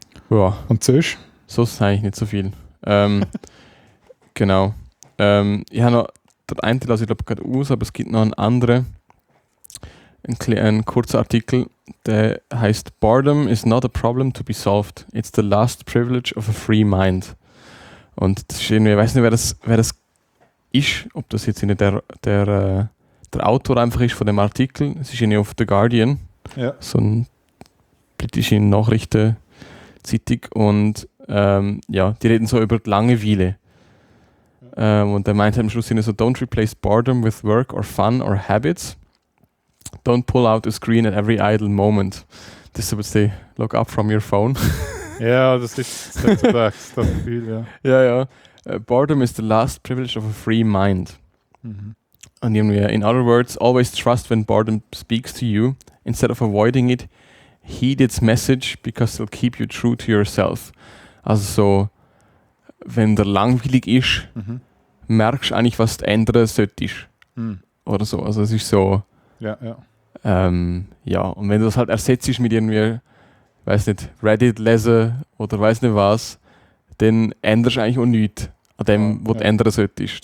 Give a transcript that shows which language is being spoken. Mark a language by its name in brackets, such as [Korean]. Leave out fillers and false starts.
[German] Ja. Und sonst? Sonst eigentlich nicht so viel. genau. Ich habe noch den einen, lasse ich glaube gerade aus, aber es gibt noch einen anderen. Ein kurzer Artikel, der heißt Boredom is not a problem to be solved. [English] It's the last privilege of a free mind. [German] Und das ist irgendwie, ich weiß nicht, wer das ist, ob das jetzt nicht der Autor einfach ist von dem Artikel. Es ist irgendwie auf The Guardian. Ja. So eine britische Nachrichten Zeitung und die reden so über die Langeweile. Und der meint am Schluss so, [English] don't replace boredom with work or fun or habits. Don't pull out a screen at every idle moment. [German] Das ist so, [English] say, look up from your phone. [German] Ja, das ist das Gefühl, ja. Ja, ja. [English] Boredom is the last privilege of a free mind. [German] Und irgendwie, [English] in other words, always trust when boredom speaks to you, instead of avoiding it, heed its message, because it'll keep you true to yourself. [German] Also so, wenn der langweilig ist, merkst du eigentlich, was du ändern solltest. Mhm. Oder so, also es ist so. Ja, ja. Ja, und wenn du das halt ersetzt mit irgendwie, weiß nicht, Reddit lesen oder weiß nicht was, dann änderst du eigentlich auch nichts an dem, was du ändern solltest.